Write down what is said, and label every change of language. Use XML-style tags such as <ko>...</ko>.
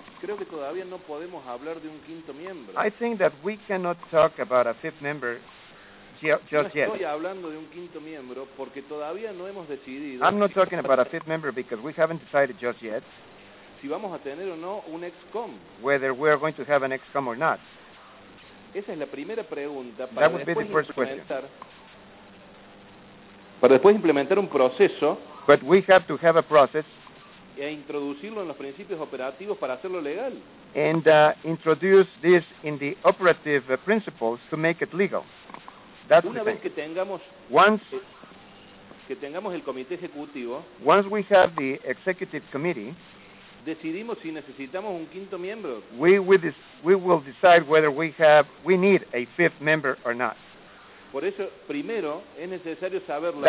<es>Creo que todavía no podemos hablar de un quinto miembro.</es> <en>I think that we cannot talk about a fifth member.</en> <es>Estoy hablando de un quinto miembro porque todavía no hemos decidido.</es> <en>I'm not talking about a fifth member because we haven't decided just yet.</en> <es>Si vamos a tener o no un XCOM.</es> <en>Whether we are going to have an XCOM or not.</en> <es>Esa es la primera pregunta para después implementar.</es> <en>Question.</en> <es>Para después implementar un proceso.</es> <en>But we have to have a process.</en> <es>E introducirlo en los principios operativos para hacerlo legal.</es> <en>And introduce this in the operative principles to make it legal. That's</en> <es>una vez que tengamos que tengamos el comité ejecutivo,</es> <en>once we have the executive committee,</en> <es>decidimos si necesitamos un quinto miembro.</es> <en>We will decide whether we need a fifth member or not.</en> <es>Por eso primero es necesario saber la</es>